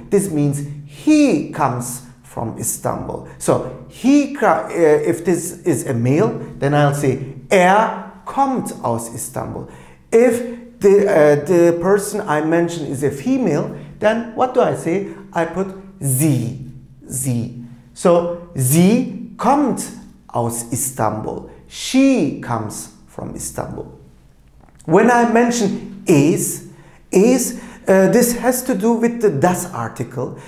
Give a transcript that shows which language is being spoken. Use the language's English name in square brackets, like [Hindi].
[English] This means he comes from Istanbul. So, if this is a male, then I'll say [German] kommt aus Istanbul. [English] If the person I mention is a female, then what do I say? I put sie. [German] So sie kommt aus Istanbul. [English] She comes from Istanbul. When I mention es, this has to do with the das article.